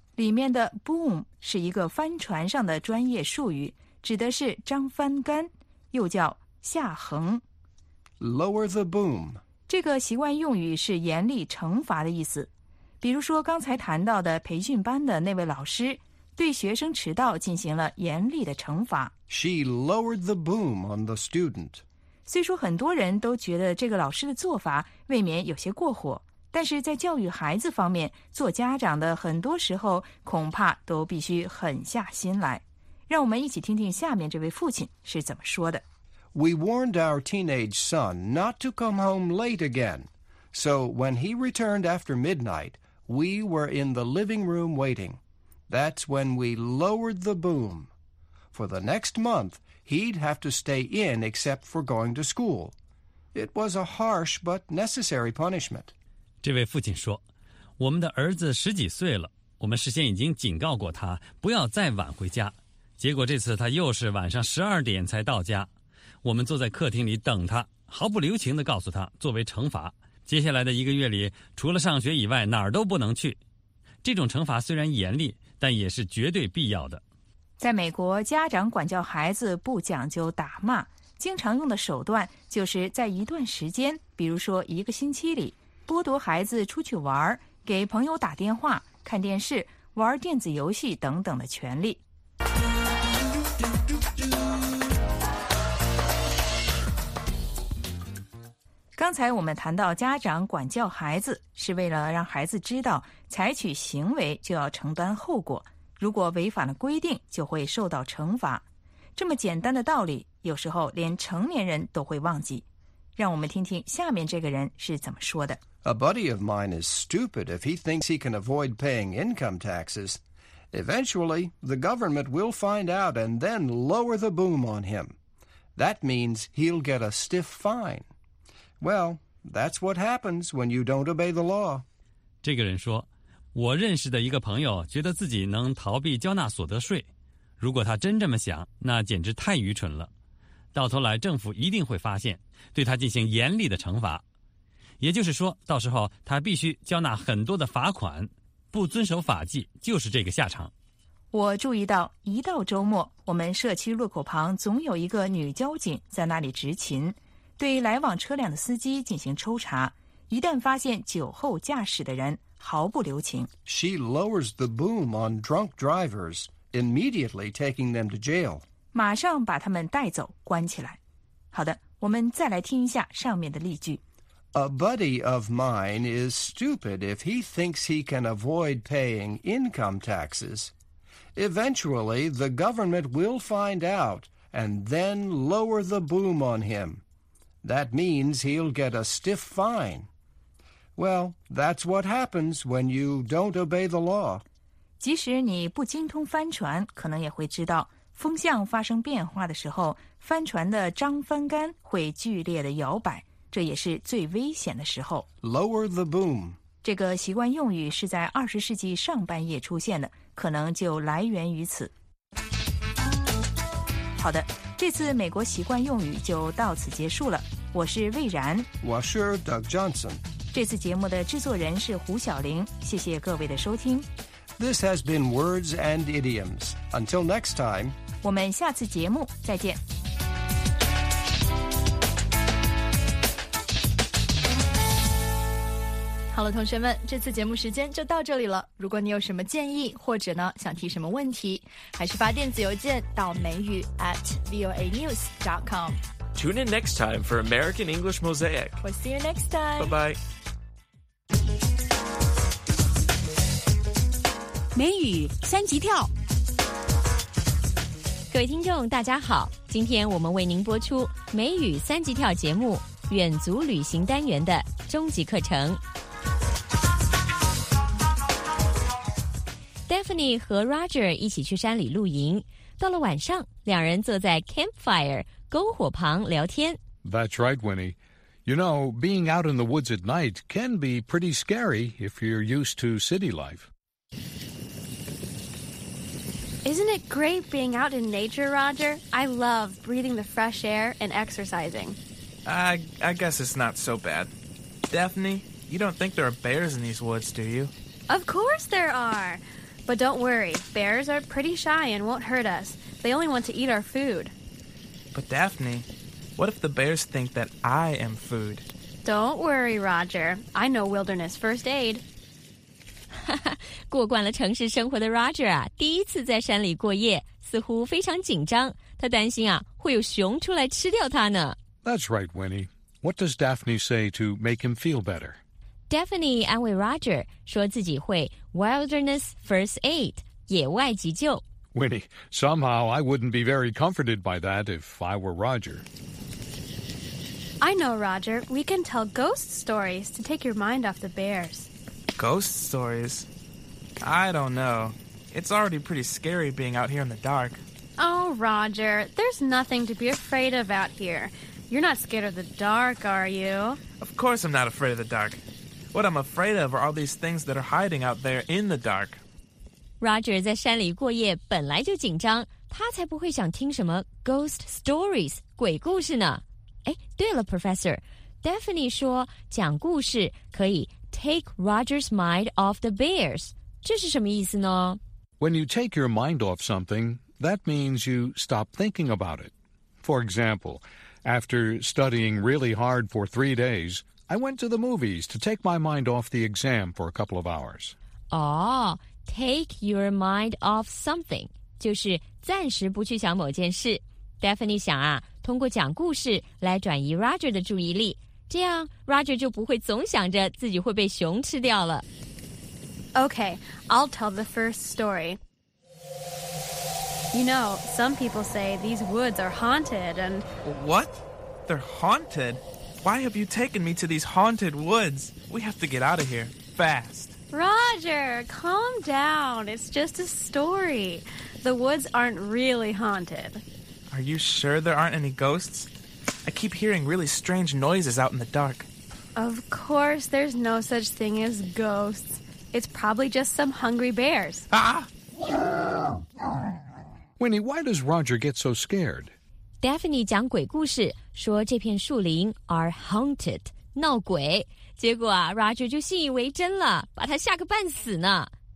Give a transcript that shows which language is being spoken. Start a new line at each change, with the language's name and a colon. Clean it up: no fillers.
Chinese: 里面的 boom 是一个帆船上的专业术语，指的是张帆杆，又叫下横。
English: lower the boom
Chinese: 这个习惯用语是严厉惩罚的意思。比如说刚才谈到的培训班的那位老师，对学生迟到进行了严厉的惩罚。
English: She lowered the boom on the student。
Chinese: 虽说很多人都觉得这个老师的做法未免有些过火，但是在教育孩子方面，做家长的很多时候恐怕都必须狠下心来。让我们一起听听下面这位父亲是怎么说的。
English: We warned our teenage son not to come home late again. So when he returned after midnight, we were in the living room waiting. That's when we lowered the boom. For the next month, he'd have to stay in except for going to school. It was a harsh but necessary punishment.
Chinese: 这位父亲说，我们的儿子十几岁了，我们事先已经警告过他不要再晚回家，结果这次他又是晚上12点才到家。我们坐在客厅里等他，毫不留情地告诉他，作为惩罚，接下来的一个月里除了上学以外哪儿都不能去。这种惩罚虽然严厉，但也是绝对必要的。在美国，家长管教孩子不讲究打骂，经常用的手段就是在一段时间，比如说一个星期里，剥夺孩子出去玩、给朋友打电话、看电视、玩电子游戏等等的权利。刚才我们谈到家长管教孩子是为了让孩子知道采取行为就要承担后果，如果违反了规定就会受到惩罚。这么简单的道理有时候连成年人都会忘记。让我们听听下面这个人是怎么说的。
English: A buddy of mine is stupid if he thinks he can avoid paying income taxes. Eventually, the government will find out and then lower the boom on him. That means he'll get a stiff fine. Well, that's what happens when you don't obey the law.
Chinese: 这个人说，我认识的一个朋友觉得自己能逃避交纳所得税。如果他真这么想，那简直太愚蠢了。到头来，政府一定会发现，对他进行严厉的惩罚。也就是说，到时候他必须交纳很多的罚款，不遵守法纪就是这个下场。我注意到，一到周末，我们社区路口旁总有一个女交警在那里执勤，对来往车辆的司机进行抽查，一旦发现酒后驾驶的人，毫不留情。
English: She lowers the boom on drunk drivers, immediately taking them to jail.
Chinese: 马上把他们带走，关起来。好的，我们再来听一下上面的例句。
English: A buddy of mine is stupid if he thinks he can avoid paying income taxes. Eventually, the government will find out and then lower the boom on him. That means he'll get a stiff fine. Well, that's what happens when you don't obey the law.
Chinese: 即使你不精通帆船，可能也会知道，风向发生变化的时候，帆船的张帆杆会剧烈的摇摆。这也是最危险的时候。
English: Lower the boom.
Chinese: 这个习惯用语是在20世纪上半叶出现的，可能就来源于此。好的，这次美国习惯用语就到此结束了。我是魏然。我是 Doug Johnson。这次节目的制作人是胡晓玲。谢谢各位的收听。
English: This has been Words and Idioms. Until next time.
Chinese: 我们下次节目再见。好了，同学们，这次节目时间就到这里了。如果你有什么建议，或者呢想提什么问题，还是发电子邮件到美语@voanews.com。
English: Tune in next time for American English Mosaic. We'll see you next time. Bye-bye.
Chinese: 美语三级跳。各位听众大家好，今天我们为您播出美语三级跳节目远足旅行单元的终极课程。 Stephanie 和 Roger 一起去山里露营，到了晚上，两人坐在 campfire 篝火旁聊天。
English: That's right, Winnie. You know, being out in the woods at night can be pretty scary if you're used to city life. Isn't it great being out in nature, Roger? I love breathing the fresh air and exercising. I guess it's not so bad. Daphne, you don't think there are bears in these woods, do you? Of course there are! But don't worry, bears are pretty shy and won't hurt us. They only want to eat our food. But Daphne, what if the bears think that I am food? Don't worry, Roger. I know wilderness first aid.
Chinese: 过惯了城市生活的 Roger 啊，第一次在山里过夜，似乎非常紧张。他担心啊，会有熊出来吃掉他呢。
English: That's right, Winnie. What does Daphne say to make him feel better?
Chinese: Daphne 安慰 Roger， 说自己会
English: wilderness first aid，
Chinese: 野外急救。
English: Winnie, somehow I wouldn't be very comforted by that if I were Roger. I know, Roger. We can tell ghost stories to take your mind off the bears. Ghost stories? I don't know. It's already pretty scary being out here in the dark. Oh, Roger, there's nothing to be afraid of out here. You're not scared of the dark, are you? Of course I'm not afraid of the dark. What I'm afraid of are all these things that are hiding out there in the dark.
Chinese: Roger 在山里过夜本来就紧张，他才不会想听什么
English: ghost stories,
Chinese: 鬼故事呢。哎，对了 Professor, Daphne 说讲故事可以
English: Take Roger's mind off the bears.
Chinese: 这是什么意思呢?
English: When you take your mind off something, that means you stop thinking about it. For example, after studying really hard for 3 days, I went to the movies to take my mind off the exam for a couple of hours. Oh, take your mind off something.
Chinese: 就是暂时不去想某件事。Daphne 想啊，通过讲故事来转移 Roger 的注意力。这样 Roger 就不会总想着自己会被熊吃掉了。
English: Okay, I'll tell the first story. You know, some people say these woods are haunted and... What? They're haunted? Why have you taken me to these haunted woods? We have to get out of here, fast. Roger, calm down. It's just a story. The woods aren't really haunted. Are you sure there aren't any ghosts? I keep hearing really strange noises out in the dark. Of course, there's no such thing as ghosts. It's probably just some hungry bears. Ah! Winnie, why does Roger get so scared?
Chinese: Daphne 讲鬼故事，说这片树林
English: are haunted,
Chinese: 闹鬼。结果啊 ,Roger 就信以为真了，把他吓个半死呢。